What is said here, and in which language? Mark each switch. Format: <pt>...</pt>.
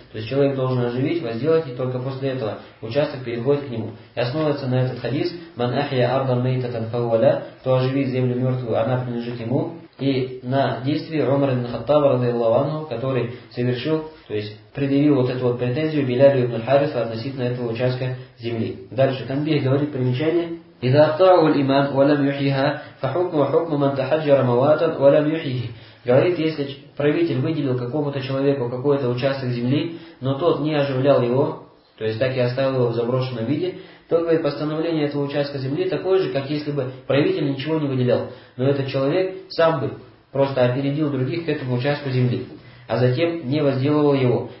<ru>То есть человек должен оживить, возделать, и только после этого участок переходит к нему. И основывается на этот хадис:</ru> <ar>«Ман ахья ардан мейтатан фауаля»,</ar> <ru>«Кто оживит землю мертвую, она принадлежит ему». И на действии Умара ибн Хаттаба, радиаллаху анху, который совершил, то есть предъявил вот эту вот претензию Билялю ибн Харису относительно этого участка земли. Дальше Танбих говорит примечание:</ru> <ar>إذا أخطأ الإمام ولم يحيها فحكم حكم من تحجر مواتا ولم يحيه.</ar> <ru>Говорит, если правитель выделил какому-то человеку какой-то участок земли, но тот не оживлял его, то есть так и оставил его в заброшенном виде, то, говорит, постановление этого участка земли такое же, как если бы правитель ничего не выделял. Но этот человек сам бы просто опередил других к этому участку земли, а затем не возделывал его.</ru>